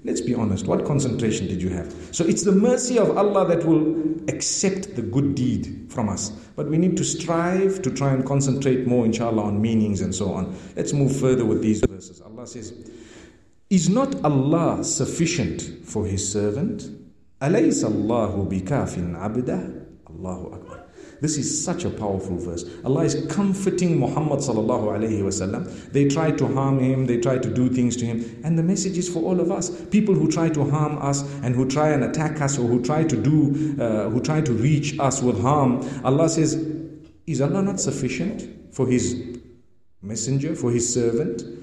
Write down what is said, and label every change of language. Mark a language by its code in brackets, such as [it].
[en] Let's be honest, what concentration did you have? So it's the mercy of Allah that will accept the good deed from us. But we need to strive to try and concentrate more, inshallah, on meanings and so on. Let's move further with these verses. Allah says, is not Allah sufficient for His servant? [ar] أَلَيْسَ اللَّهُ بِكَافٍ عَبْدَهُ Allahu Akbar. [en] This is such a powerful verse. Allah is comforting Muhammad sallallahu alayhi wa sallam. They try to harm him, they try to do things to him. And the message is for all of us. People who try to harm us and who try and attack us or who try to reach us with harm. Allah says, is Allah not sufficient for His messenger, for His servant?